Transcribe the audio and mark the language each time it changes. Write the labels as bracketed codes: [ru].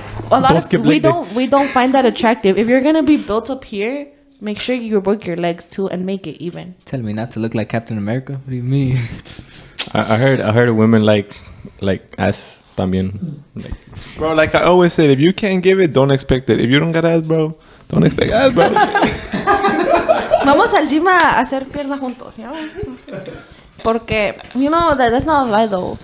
[en] A lot Bosque of we don't find that attractive. If you're gonna be built up here, make sure you work your legs too and make it even. Tell me not to look like Captain America? What do you mean? I heard women like ass. [es] También. [en] Like. Bro, like I always said, if you can't give it, don't expect it. If you don't got ass, bro, don't expect ass, bro. [es] Vamos al gym a hacer pierna juntos, ¿no? Porque, [en] you know, that's not a lie, though.